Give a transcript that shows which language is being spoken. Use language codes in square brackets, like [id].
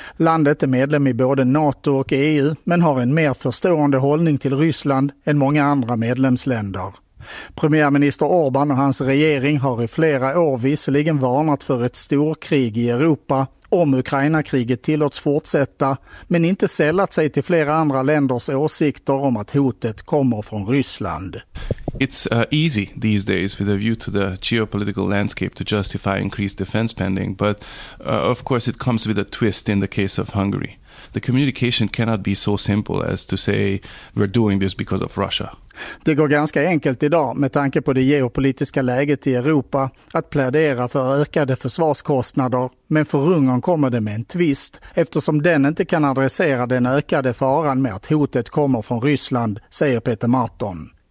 [sv] Landet är medlem i både NATO och EU, men har en mer förstående hållning till Ryssland än många andra medlemsländer. Premiärminister Orbán och hans regering har i flera år visserligen varnat för ett storkrig i Europa om Ukraina-kriget tillåts fortsätta, men inte sällat sig till flera andra länders åsikter om att hotet kommer från Ryssland. [en] It's easy these days with a view to the geopolitical landscape to justify increased defense spending, but of course it comes with a twist in the case of Hungary. The communication cannot be so simple as to say we're doing this because of Russia. [sv] Det går ganska enkelt idag med tanke på det geopolitiska läget i Europa att plädera för ökade försvarskostnader, men för Ungern kommer det med en twist eftersom den inte kan adressera den ökade faran med att hotet kommer från Ryssland, säger Peter Marton.